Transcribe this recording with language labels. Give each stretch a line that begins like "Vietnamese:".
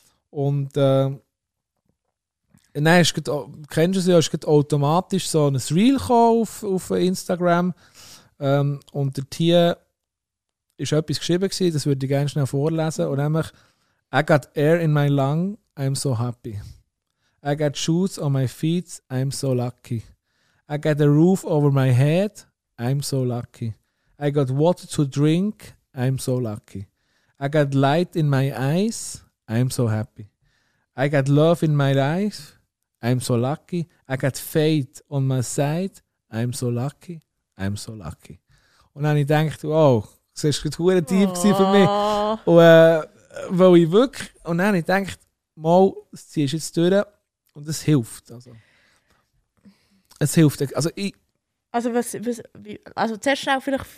German: Und kennst du es ja, es ist automatisch so ein Reel auf Instagram. Und der Tier ist etwas geschrieben gewesen, das würde ich gerne schnell vorlesen. Und nämlich,
English: I got air in my lung, I'm so happy. I got shoes on my feet, I'm so lucky. I got a roof over my head, I'm so lucky. I got water to drink, I'm so lucky. I got light in my eyes, I'm so happy. I got love in my life, I'm so lucky. I got faith on my side, I'm so lucky, I'm so lucky.
German: Und dann habe ich gedacht, wow, das war gerade ein Team für mich. Und weil ich wirklich, und dann habe ich gedacht, mal, das ziehst du jetzt durch und es hilft. Also, es hilft. Also, ich. Also, was, zuerst schnell vielleicht.